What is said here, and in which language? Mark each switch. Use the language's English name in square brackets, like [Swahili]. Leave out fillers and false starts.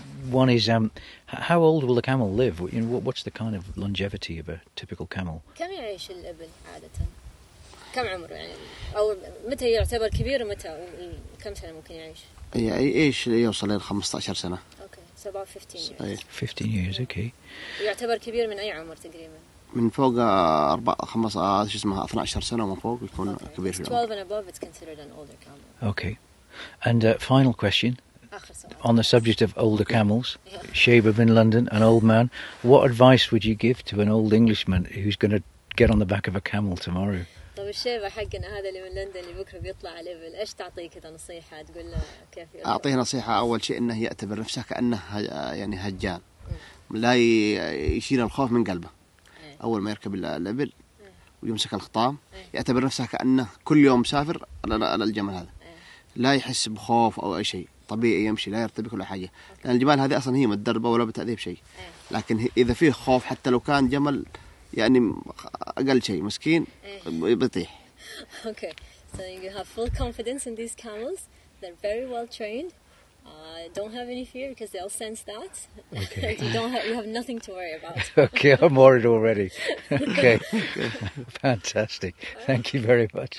[English] One is, how old will the camel live? You know, what's the kind of longevity of a typical camel? [Arabic] كم يعيش الإبل عادة؟ كم عمره يعني أو متى يعتبر كبير ومتى كم سنة ممكن يعيش؟ إيش يوصل إلى 15 سنة؟ أوكي سبعة 15 [English] years. 15 years okay. [Arabic] يعتبر كبير من أي عمر تقريبا؟ من فوق 12 سنة وما فوق يكون okay. كبير. [English] 12 and above it's considered an older camel. Okay, and final question. [Arabic] آخر سؤال. [English] On the subject of older camels, Shaib of in London, an old man, what advice would you give to an old Englishman who's going to get on the back of a camel tomorrow. [Arabic] طب الشيبة حقنا هذا اللي من لندن اللي بكرة بيطلع على ليفل إيش تعطيه كذا نصيحة تقول له كيف؟ أعطيه نصيحة أول شيء إنه يعتبر نفسه كأنه يعني هجان لا يشيل الخوف من قلبه أول ما يركب الليفل ويمسك الخطام يعتبر نفسه كأنه كل يوم مسافر على الجمل هذا لا يحس بخوف أو أي شيء طبيعي يمشي لا يرتبك ولا حاجة لأن الجمال هذه أصلا هي متدربة ولا بتأذيه بشيء لكن إذا فيه خوف حتى لو كان جمل يعني أقل شيء مسكين بيطيح [English] okay so you have full confidence in these camels they're very well trained don't have any fear because they all sense that okay. you have nothing to worry about okay I'm worried already okay fantastic thank you very much